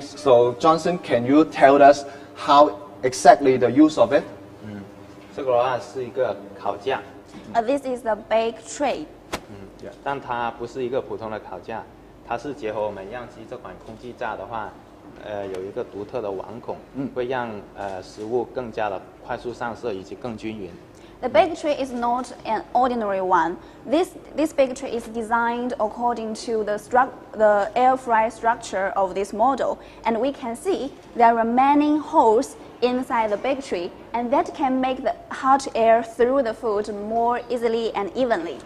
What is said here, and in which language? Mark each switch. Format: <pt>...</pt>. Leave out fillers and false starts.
<en>So, Johnson, can you tell us how exactly the use of it? This is a bake tray. But it's not a normal bake tray. It's a combination of the air fryer and the air fryer.</en> <zh>有一个独特的网孔，会让食物更加的快速上色以及更均匀。</zh> <en>The bake tray is not an ordinary one. This bake tray is designed according to the air fry structure of this model. And we can see there are many holes inside the bake tray, and that can make the hot air through the food more easily and evenly.</en>